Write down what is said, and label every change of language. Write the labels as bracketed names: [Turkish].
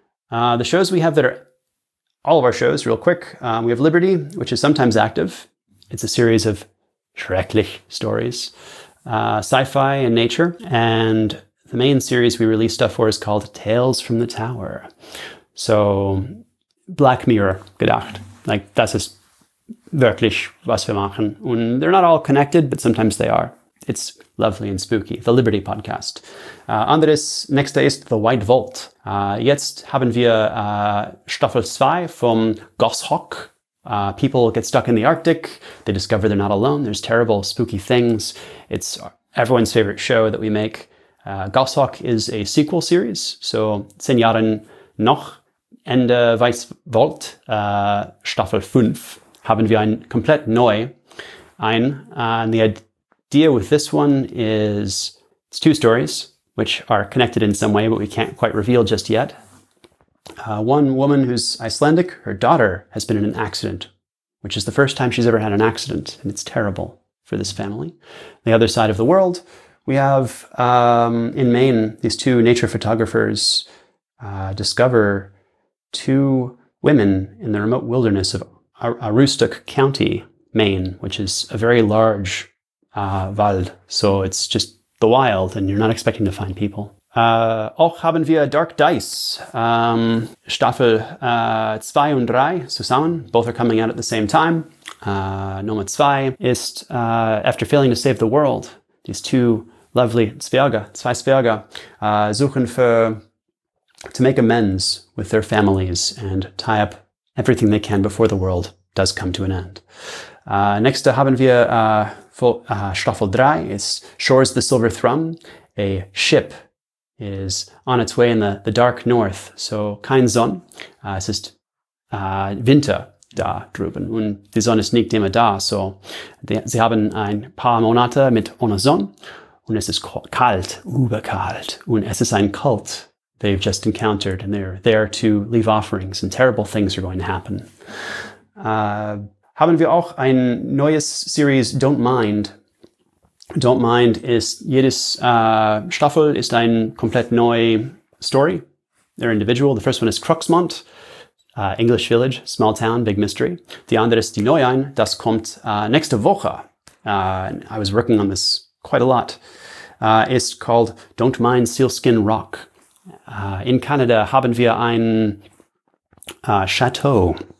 [English] The shows we have that are, all of our shows, real quick, we have Liberty, which is sometimes active. It's a series of [German] schrecklich [English] stories, sci-fi and nature. And the main series we release stuff for is called Tales from the Tower. So Black Mirror [German] gedacht. [English] Like, [German] das ist wirklich, was wir machen. [English] And they're not all connected, but sometimes they are. It's lovely and spooky. The Liberty podcast. [German] Anderes, [English] next day is The White Vault. [German] Jetzt haben wir Staffel 2 vom Goshawk. [English] People get stuck in the Arctic. They discover they're not alone. There's terrible, spooky things. It's everyone's favorite show that we make. Goshawk is a sequel series. [German] So, 10 Jahren noch, Ende Weiß Vault, Staffel 5, haben wir ein komplett neu ein. [English] And the idea with this one is, it's two stories, which are connected in some way, but we can't quite reveal just yet. One woman who's Icelandic, her daughter has been in an accident, which is the first time she's ever had an accident, and it's terrible for this family. The other side of the world, we have in Maine, these two nature photographers discover two women in the remote wilderness of Aroostook County, Maine, which is a very large [German] Wald. [English] So it's just the wild, and you're not expecting to find people. [German] Auch haben wir Dark Dice, Staffel 2 und 3 zusammen. [English] Both are coming out at the same time. [German] Nummer 2 ist, [English] after failing to save the world, these two lovely [German] Zwerge, suchen für, [English] to make amends with their families and tie up everything they can before the world does come to an end. Next [German] haben wir Staffel 3 ist [English] Shores the Silver Thrum, a ship is on its way in the dark north. [German] So, kein Sonn. Es ist Winter da drüben. Und die Sonne ist nicht immer da. So, sie haben ein paar Monate mit ohne Sonne. Und es ist kalt, überkalt. Und es ist ein Kult [English] they've just encountered. And they're there to leave offerings. And terrible things are going to happen. [German] Haben wir auch ein neues Series, Don't Mind. Don't Mind ist, jedes Staffel ist ein komplett neue Story. [English] They're individual. The first one is Cruxmont, English Village, small town, big mystery. [German] Die andere ist die Neuein, das kommt nächste Woche. [English] I was working on this quite a lot. [German] Ist [English] called Don't Mind Sealskin Rock. [German] In Canada haben wir ein Chateau,